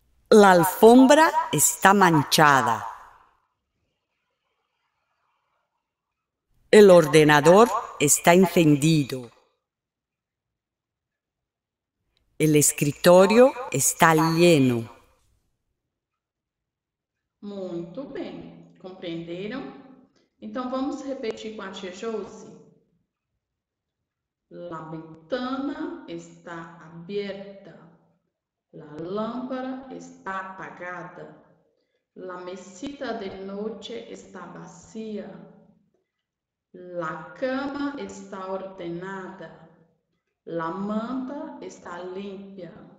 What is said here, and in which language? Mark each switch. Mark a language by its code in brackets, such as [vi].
[es] La alfombra está manchada. El ordenador está encendido. El escritorio está lleno. [pt] Muito bem, compreenderam? Então vamos repetir com a tia Josi. [es] La ventana está abierta. La lámpara está apagada. La mesita de noche está vacía. La cama está ordenada. La manta está limpia.